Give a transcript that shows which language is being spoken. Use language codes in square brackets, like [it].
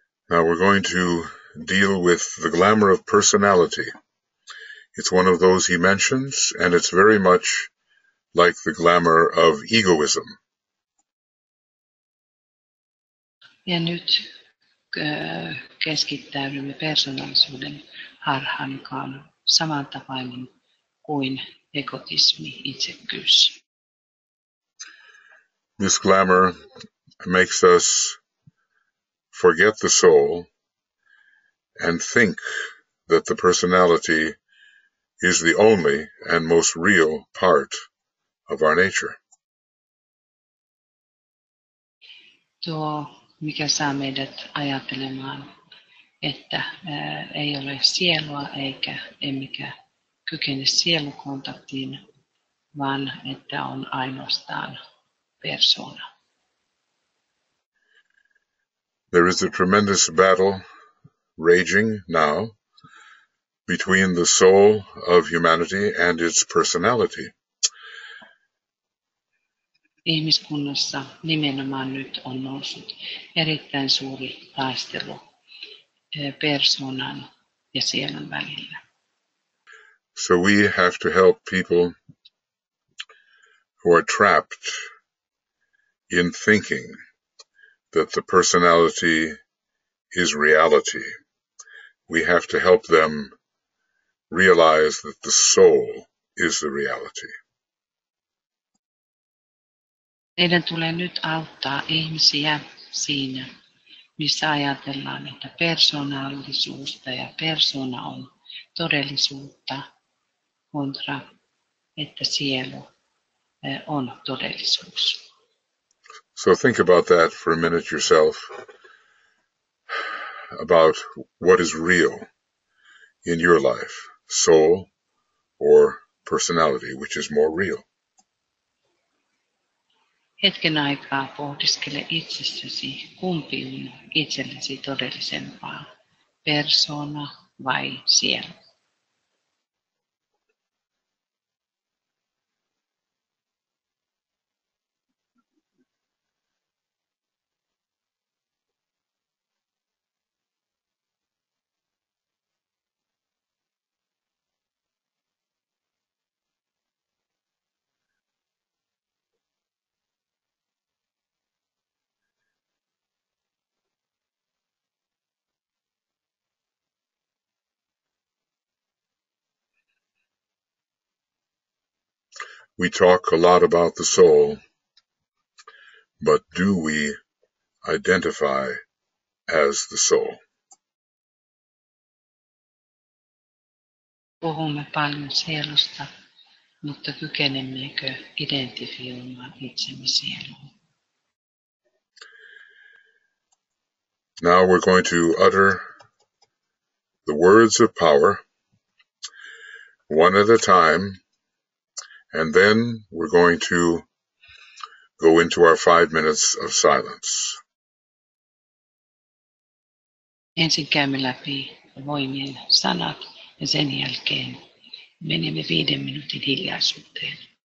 [en] Now we're going to deal with the glamour of personality. It's one of those he mentions, and it's very much like the glamour of egoism. [fi] Ja nyt keskittäydymme persoonallisuuden harhaan, joka on samantapainen kuin egotismi, itsekkyys. [en] This glamour makes us forget the soul and think that the personality is the only and most real part of our nature. [fi] Tuo, mikä saa meidät ajattelemaan, että ei ole sielua eikä emmekä kykene sielukontaktiin, vaan että on ainoastaan persona. [en] There is a tremendous battle raging now between the soul of humanity and its personality. [fi] Ihmiskunnassa nimenomaan nyt on noussut erittäin suuri taistelu persoonan ja sielun välillä. [en] So we have to help people who are trapped in thinking that the personality is reality. We have to help them realize that the soul is the reality. [fi] Meidän tulee nyt auttaa ihmisiä siinä, missä ajatellaan, että persoonallisuus ja persona on todellisuutta, kontra, että sielu on todellisuus. [en] So think about that for a minute yourself, about what is real in your life, soul or personality, which is more real. [fi] Hetken aikaa pohdiskele itsessäsi, kumpi on itsellesi todellisempaa, persona vai sielu. [en] We talk a lot about the soul, but do we identify as the soul? [fi] Puhumme paljon sielusta, mutta kykenemmekö identifioimaan itsemme sieluun? [en] Now we're going to utter the words of power one at a time. And then we're going to go into our 5 minutes of silence. [fi] Ensin käymme läpi voimien sanat ja sen jälkeen menemme 5 minuutin hiljaisuuteen.